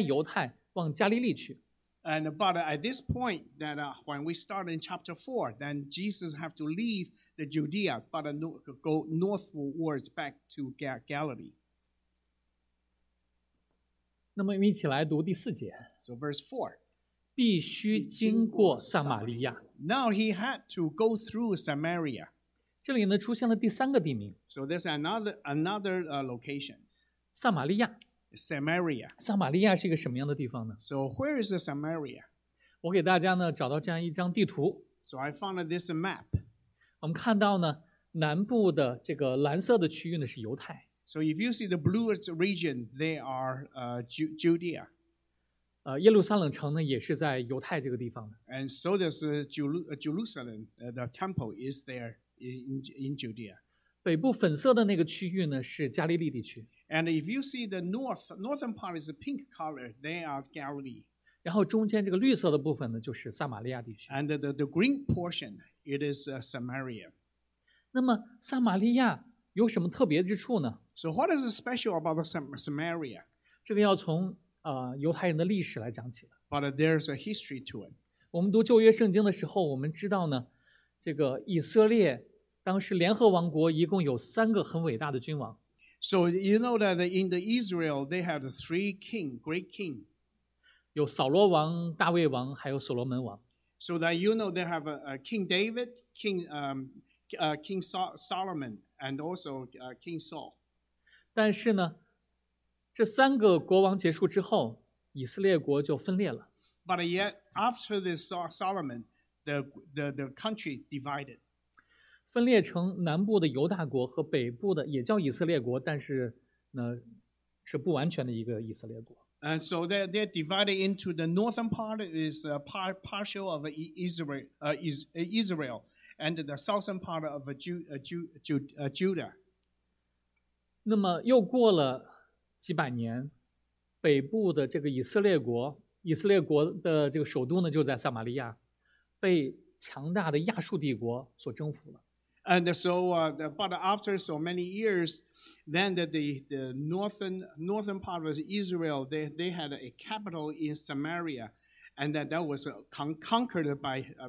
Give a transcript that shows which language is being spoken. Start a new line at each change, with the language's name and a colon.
Chinese: 到了第四章的刚开始呢，这里说他要离开犹太，往加利利去。
English: And but at this point that when we start in chapter 4, then Jesus have to leave the Judea, but go northwards back to Galilee.
Chinese: 那么我们一起来读第四节。
English: So verse 4.
Chinese: 必须经过撒玛利亚。
English: Now he had to go through Samaria.
Chinese: 这里呢出现了第三个地名。
English: So there's another location.
Chinese: 撒玛利亚。Samaria. 撒玛利亚是一个什么样的地方呢？
English: So where is the Samaria?
Chinese: 我给大家呢找到这样一张地图。
English: So I found this map.
Chinese: 我们看到呢，南部的这个蓝色的区域呢是犹太。
English: So if you see the blue region, they are Judea.
Chinese: 耶路撒冷城呢也是在犹太这个地方的。
English: And so does Jerusalem, the temple is there in Judea.
Chinese: 北部粉色的那个区域呢是加利利地区。
English: And if you see the northern part is a pink color, they are Galilee.
Chinese: 然后中间这个绿色的部分呢，就是撒玛利亚地区。
English: And the green portion, it is Samaria.
Chinese: 那么撒玛利亚有什么特别之处呢？
English: So what is special about Samaria?
Chinese: 这个要从犹太人的历史来讲起了。
English: But there's a history to it.
Chinese: 我们读旧约圣经的时候，我们知道呢，这个以色列当时联合王国一共有三个很伟大的君王。
English: So you know that in the Israel, they had three king, great king.
Chinese: 有扫罗王、大卫王，还有所罗门王。
English: So that you know they have a King David, King Solomon, and also King Saul.
Chinese: 但是呢，这三个国王结束之后，以色列国就分裂了。
English: But yet, after this Solomon, the country divided.
Chinese: 分裂成南部的犹大国和北部的也叫以色列国，但是呢是不完全的一个以色列国。
English: And so they're divided into the northern part is a partial of Israel, and the southern part of Judah.
Chinese: 那么又过了几百年，北部的这个以色列国的这个首都呢就在撒玛利亚，被强大的亚述帝国所征服了。
English: And so, but after so many years, then the northern part of Israel, they had a capital in Samaria, and that was conquered by